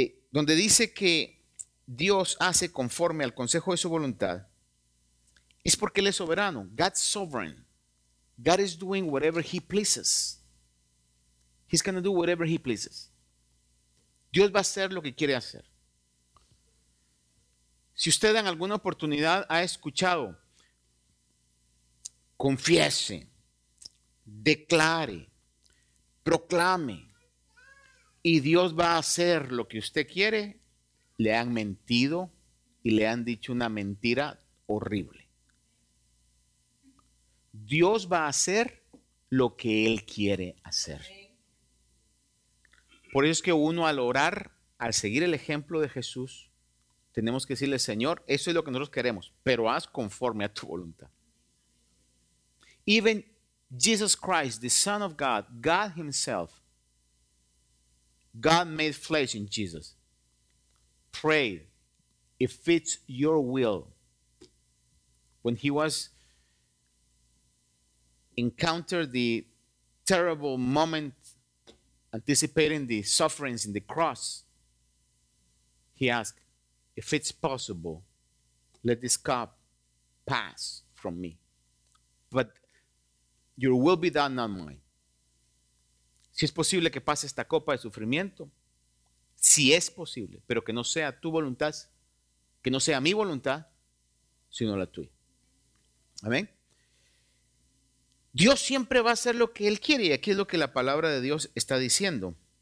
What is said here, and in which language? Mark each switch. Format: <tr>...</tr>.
<es>Donde dice que Dios hace conforme al consejo de su voluntad, es porque Él es soberano.</es> <en>God's sovereign. God is doing whatever He pleases. He's going to do whatever He pleases.</en> <es>Dios va a hacer lo que quiere hacer. Si usted en alguna oportunidad ha escuchado, confiese, declare, proclame, y Dios va a hacer lo que usted quiere, le han mentido y le han dicho una mentira horrible. Dios va a hacer lo que Él quiere hacer. Por eso es que uno al orar, al seguir el ejemplo de Jesús, tenemos que decirle, Señor, eso es lo que nosotros queremos, pero haz conforme a tu voluntad.</es> <en>Even Jesus Christ, the Son of God, God Himself, God made flesh in Jesus, prayed, if it's your will. When He was encountered the terrible moment anticipating the sufferings in the cross, he asked, if it's possible, let this cup pass from me. But your will be done, not mine.</en> <es>Si es posible que pase esta copa de sufrimiento, si es posible, pero que no sea tu voluntad, que no sea mi voluntad, sino la tuya. Amén. Dios siempre va a hacer lo que Él quiere. Y aquí es lo que la palabra de Dios está diciendo.</es>